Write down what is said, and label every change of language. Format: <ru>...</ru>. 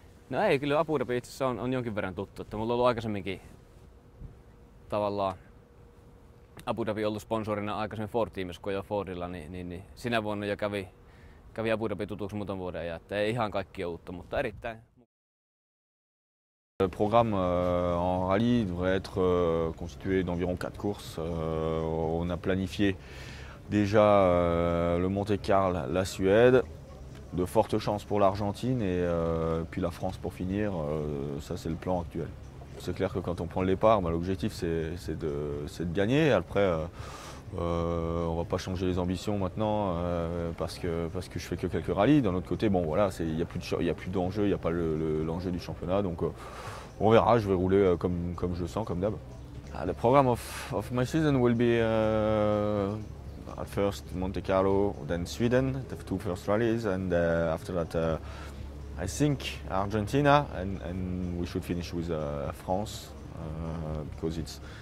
<fi>No ei, kyllä Abu Dhabi itse asiassa on jonkin verran tuttu, että mulla on ollut aikaisemminkin tavallaan Abu Dhabi ollut sponsorina aikaisemmin Ford-tiimissä, kun ajoin Fordilla, niin sinä vuonna jo kävi Abu Dhabi tutuksi muutaman vuoden, ja että ei ihan kaikki ole uutta, mutta erittäin.</fi> <fr>Le programme en rallye devrait être constitué d'environ 4 courses. On a planifié déjà le Monte Carlo, la Suède, de fortes chances pour l'Argentine et puis la France pour finir. Ça, c'est le plan actuel. C'est clair que quand on prend le départ, l'objectif c'est de gagner. Après, on va pas changer les ambitions maintenant parce que je fais que quelques rallyes. D'un autre côté, bon voilà, il n'y a plus d'enjeu, il n'y a pas l'enjeu du championnat. Donc on verra, je vais rouler comme je sens, comme d'hab. Le programme</fr> <en>of my season will be at first Monte Carlo, then Sweden, the two first rallies, and after that I think Argentina, and we should finish with France because it's</en>